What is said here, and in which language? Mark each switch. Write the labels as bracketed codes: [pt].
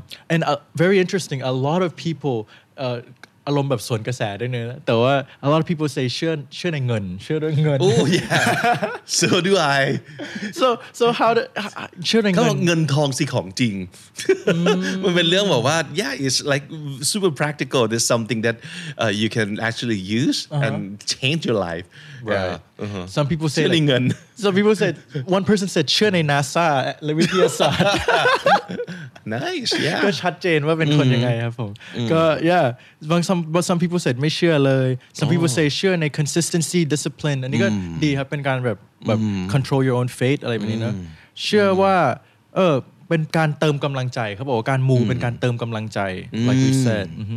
[en] And very interesting, a lot of people a lot of people say [th] เชื่อในเงิน [en] Oh yeah. So do I. So how do [th] เชื่อในเงินเงินทองสิของจริง มันเป็นเรื่องแบบว่า [en] yeah, it's like super practical. There's something that you can actually use and change your life. Right. Yeah. Uh-huh. Some people say like, some people said one person said Chene NASA Lewitiasa. Nice. Yeah. [th] ก็ชัดเจนว่าเป็นคนยังไงครับผมก็ [en] yeah some people said [th] ไม่เชื่อเลย [en] some people say [th] เชื่อใน consistency discipline อันนี้ก็ดีครับเป็นการแบบ [en] control your own fate [th] อะไรแบบนี้นะเชื่อว่าเป็นการเติมกำลังใจเขาบอกการมูเป็นการเติมกำลังใจ [en] like you said